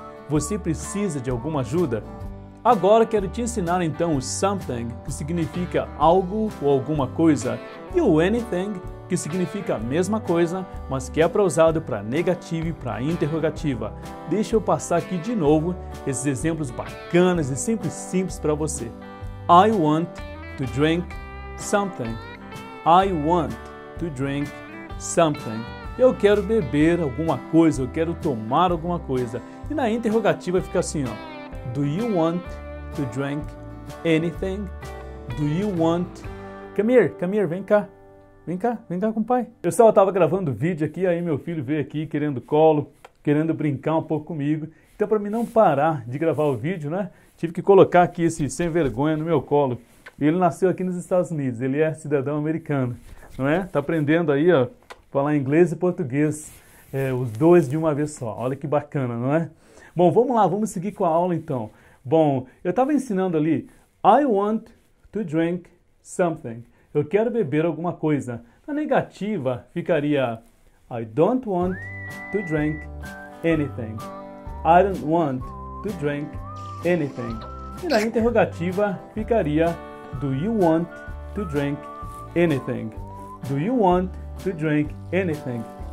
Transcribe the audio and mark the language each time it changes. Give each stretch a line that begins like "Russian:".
Portuguese: Você precisa de alguma ajuda? Agora quero te ensinar então o something, que significa algo ou alguma coisa, e o anything, que significa a mesma coisa, mas que é para usado para negativa e para interrogativa. Deixa eu passar aqui de novo esses exemplos bacanas e sempre simples para você.
English: I want to drink something. I want to drink something.
Portuguese: Eu quero beber alguma coisa, eu quero tomar alguma coisa. E na interrogativa fica assim, ó.
English: Do you want to drink anything? Do you want... Come here,
Portuguese: vem cá. Vem cá com o pai. Pessoal, eu tava gravando vídeo aqui, aí meu filho veio aqui querendo colo, querendo brincar um pouco comigo. Então para mim não parar de gravar o vídeo, né? Tive que colocar aqui esse sem vergonha no meu colo. Ele nasceu aqui nos Estados Unidos, ele é cidadão americano, não é? Tá aprendendo aí, ó. Falar inglês e português, os dois de uma vez só. Olha que bacana, não é? Bom, vamos lá, vamos seguir com a aula então. Bom, eu estava ensinando ali,
English: I want to drink something.
Portuguese: Eu quero beber alguma coisa. Na negativa ficaria,
English: I don't want to drink anything. I don't want to drink anything.
Portuguese: E na interrogativa ficaria,
English: do you want to drink anything? Do you want to drink anything?